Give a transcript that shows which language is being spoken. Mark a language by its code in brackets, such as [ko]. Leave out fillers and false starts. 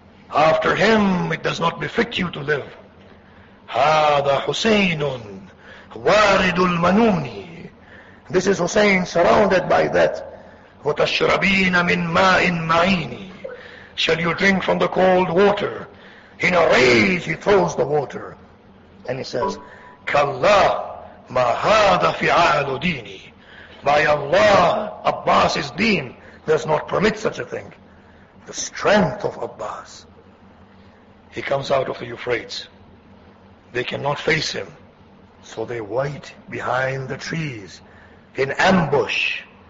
[en] After him it does not befit you to live. [ar] Hada Husseinun waridul manuni. [en] This is Hussein surrounded by that. [ar] وَتَشْرَبِينَ مِنْ مَاءٍ مَعِينِ. [en] Shall you drink from the cold water? In a rage he throws the water. And he says, [ar] كَاللَّهُ مَا هَذَا فِعَالُ دِينِ. [en] By Allah, Abbas's deen does not permit such a thing. The strength of Abbas. He comes out of the Euphrates. They cannot face him. So they wait behind the trees. In ambush.